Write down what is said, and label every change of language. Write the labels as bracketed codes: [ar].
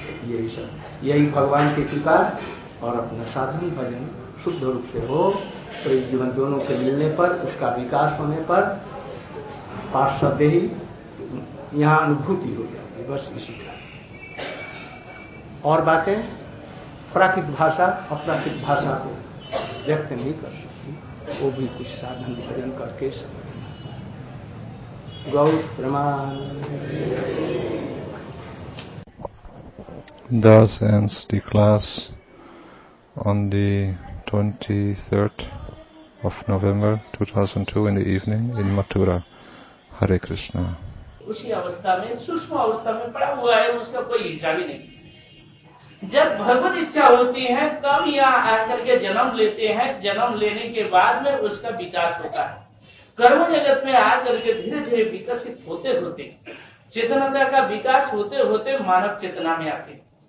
[hi] यही सब यही भगवान की कृपा और अपना साधन भजन शुद्ध रूप से हो तो इस जीवन दोनों के मिलने पर उसका विकास होने पर पार्षद ही यहां अनुभूति हो जाएगी, बस इसी का। और बातें प्राकृत भाषा अप्राकृत भाषा को व्यक्त नहीं कर सकती, वो भी कुछ साधन भजन करके समझना। गौर प्रमाण [en] दस and the class on the 23rd of November 2002 in the evening in Mathura. Hare Krishna. [hi] उसी अवस्था में सूक्ष्म अवस्था में पड़ा हुआ है, उसका कोई इच्छा भी नहीं। जब भगवत इच्छा होती है तब यहाँ आकर के जन्म लेते हैं, जन्म लेने के बाद में उसका विकास होता है। कर्म जगत में आकर के धीरे धीरे विकसित होते होते चेतनता का विकास होते होते मानव चेतना में आते।